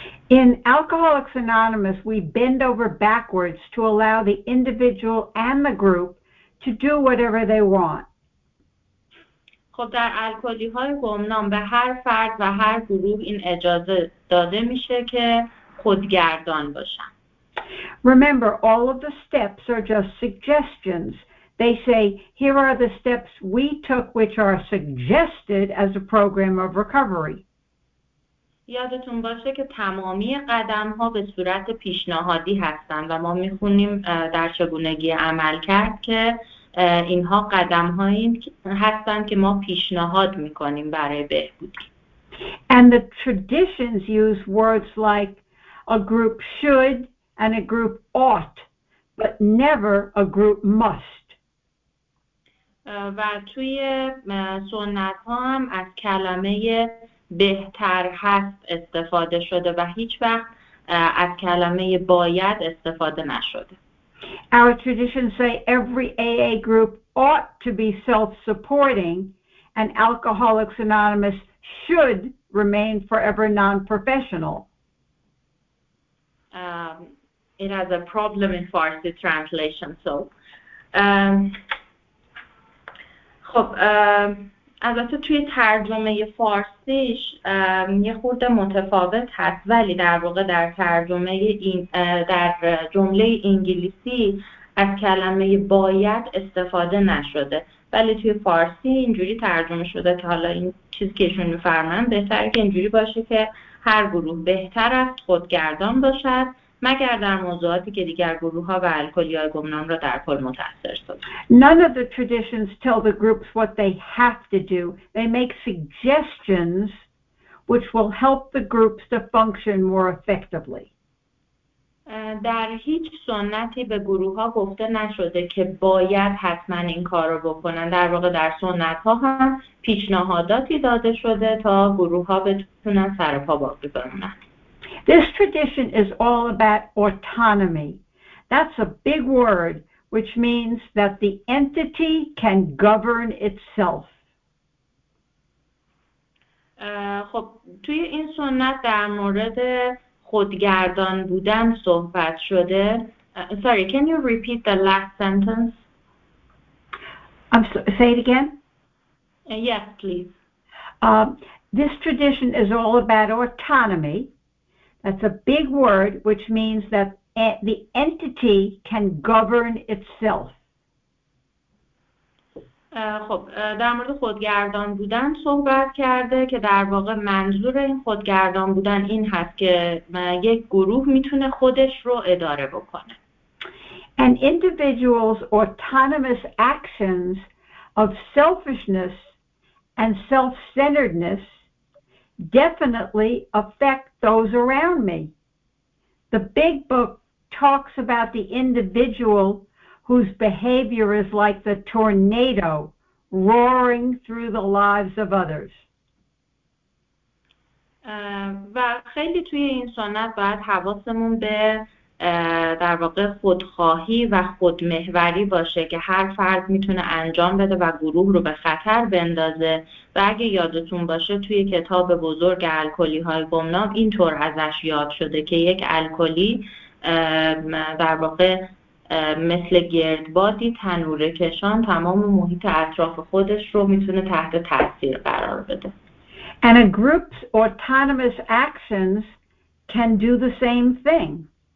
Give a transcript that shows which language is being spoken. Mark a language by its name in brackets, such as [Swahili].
[English] In Alcoholics Anonymous, we bend over backwards to allow the individual and the group to do whatever they want. [Persian] خب در الکلی‌های گمنام به هر فرد و هر گروه این اجازه داده میشه که خودگردان باشن. [English] Remember, all of the steps are just suggestions. They say, here are the steps we took which are suggested as a program of recovery. [Persian] یادتون باشه که تمامی قدم‌ها به صورت پیشنهادی هستند و ما می‌خونیم در چگونگی عمل کرد که اینها قدم‌هایی هستند که ما پیشنهاد می‌کنیم برای بهبودی. [English] And the traditions use words like a group should and a group ought, but never a group must. [Persian] و توی سنت ها هم از کلمه بهتر هست استفاده شده و هیچ وقت از کلمه باید استفاده نشده. [English] Our traditions say every AA group ought to be self-supporting and Alcoholics Anonymous should remain forever non-professional. It has a problem in Farsi translation, so... [Persian] خب البته توی ترجمه فارسیش یه خورده متفاوت هست، ولی در واقع در ترجمه این در جمله انگلیسی از کلمه باید استفاده نشده، ولی توی فارسی اینجوری ترجمه شده که حالا این چیزی که ایشون می‌فرمان بهتره که اینجوری باشه که هر گروه بهتر است خودگردان باشد مگر در موضوعاتی که دیگر گروه ها و الکلی های گمنام را در کل متأثر سازد. [English] None of the traditions tell the groups what they have to do. They make suggestions which will help the groups to function more effectively. [Persian] در هیچ سنتی به گروه ها گفته نشده که باید حتما این کار رو بکنن. در واقع در سنت ها هم پیشنهاداتی داده شده تا گروه ها بتونن سرپا باقی بمونن. [English] This tradition is all about autonomy. That's a big word, which means that the entity can govern itself. [Persian] خب توی این سنت در مورد خودگردان بودن صحبت شده. [English] Sorry, can you repeat the last sentence? Say it again. Yes, please. This tradition is all about autonomy. That's a big word, which means that the entity can govern itself. [Persian] خب در مورد خودگردان بودن صحبت کرده که در واقع منظور این خودگردان بودن این هست که یک گروه میتونه خودش رو اداره بکنه. [English] An individual's autonomous actions of selfishness and self-centeredness definitely affect those around me. The big book talks about the individual whose behavior is like the tornado roaring through the lives of others. [Persian] و خیلی توی این سنت باید حواسمون به در واقع خودخواهی و خودمحوری باشه که هر فرد میتونه انجام بده و گروه رو به خطر بندازه و اگه یادتون باشه توی کتاب بزرگ الکلی های گمنام اینطور ازش یاد شده که یک الکلی در واقع مثل گردبادی تنوره کشان تمام محیط اطراف خودش رو میتونه تحت تاثیر قرار بده. [English] And a group's autonomous actions can do the same thing.